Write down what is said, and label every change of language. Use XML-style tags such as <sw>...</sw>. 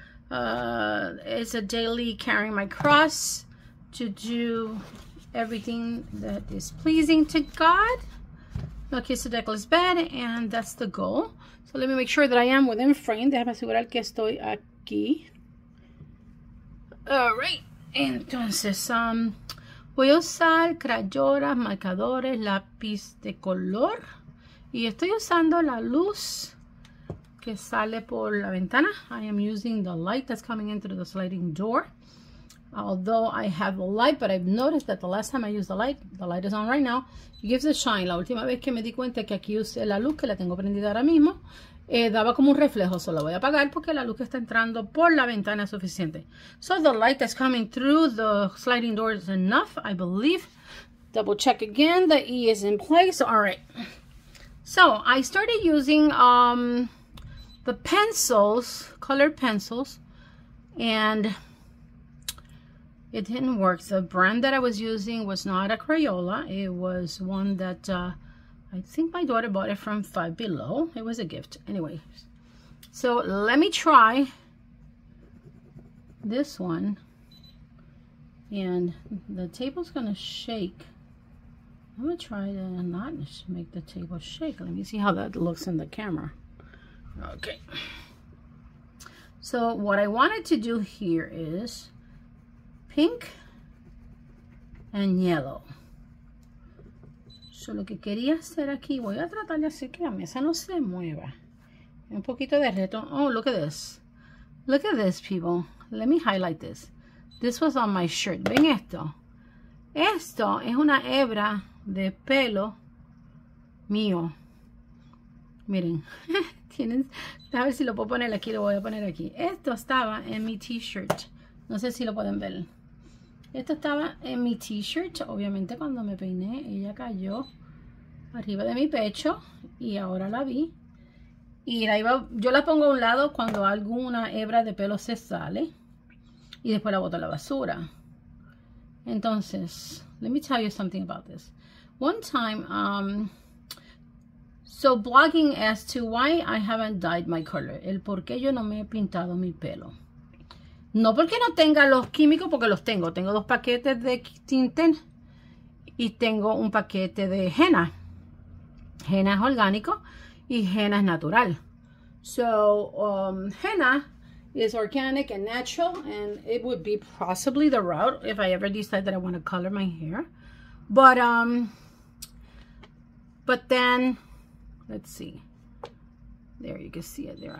<en>It's a daily carrying my cross to do everything that is pleasing to God. No kiss the deckle is bad, and that's the goal. So let me make sure that I am within frame.</en> <es>Déjame asegurar que estoy aquí.</es> <en>Alright.</en> <es>Entonces, voy a usar crayolas, marcadores, lápiz de color. Y estoy usando la luz que sale por la ventana.</es> <en>I am using the light that's coming in through the sliding door. Although I have a light, but I've noticed that the last time I used the light is on right now, it gives a shine.</en> <es>La última vez que me di cuenta que aquí usé la luz, que la tengo prendida ahora mismo, daba como un reflejo. So la voy a apagar porque la luz que está entrando por la ventana es suficiente.</es> <en>So the light that's coming through the sliding door is enough, I believe. Double check again, the E is in place. All right. So I started using the pencils, colored pencils, and it didn't work. The brand that I was using was not a Crayola. It was one that I think my daughter bought it from Five Below. It was a gift. Anyway, so let me try this one. And the table's going to shake. I'm going to try to not make the table shake. Let me see how that looks in the camera. Okay. So what I wanted to do here is pink and yellow.</en> <es>So lo que quería hacer aquí, voy a tratar de hacer que la mesa no se mueva. Un poquito de reto.</es> <en>Oh, look at this. Look at this, people. Let me highlight this. This was on my shirt.</en> <es>Ven esto. Esto es una hebra de pelo mío. Miren. Tienen. A ver si lo puedo poner aquí. Lo voy a poner aquí. Esto estaba en mi t-shirt. No sé si lo pueden ver. Esto estaba en mi t-shirt. Obviamente, cuando me peiné, ella cayó arriba de mi pecho y ahora la vi. Y la iba, yo la pongo a un lado cuando alguna hebra de pelo se sale y después la boto a la basura.</es> <en>Entonces, let me tell you something about this. One time, so blogging as to why I haven't dyed my color.</en> <es>El por qué yo no me he pintado mi pelo. No porque no tenga los químicos, porque los tengo. Tengo dos paquetes de tinten y tengo un paquete de henna. Henna es orgánico y henna es natural.</es> <en>So, henna is organic and natural, and it would be possibly the route if I ever decide that I want to color my hair. But then, let's see. There, you can see it there.</en>